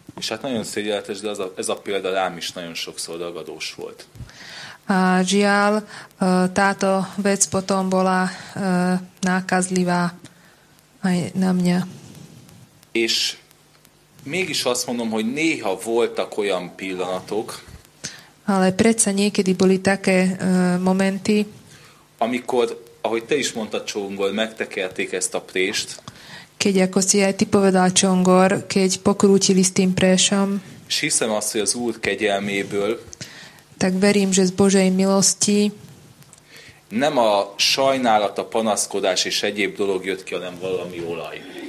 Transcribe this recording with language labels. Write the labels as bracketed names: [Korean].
[Hungarian] És hát nagyon szégyenletes, de ez a példa rám is nagyon sokszor dagadós volt. [Slovak] A žiaľ, táto vec potom bola nákazlivá aj na mňa. [Hungarian] És mégis azt mondom, hogy néha voltak olyan pillanatok, [Slovak] ale predsa niekedy boli také momenty, [Hungarian] amikor, ahogy te is mondtad, Csongor, megtekerték ezt a prést, [Slovak] keď, ako si aj ty povedal, Csongor, keď pokrútili s tým présom, [Hungarian] és hiszem azt, hogy az Úr kegyelméből, [Slovak] tak verím, že z Božej milosti [Hungarian] nem a sajnálat, a panaszkodás és egyéb dolog jött ki, hanem valami olaj.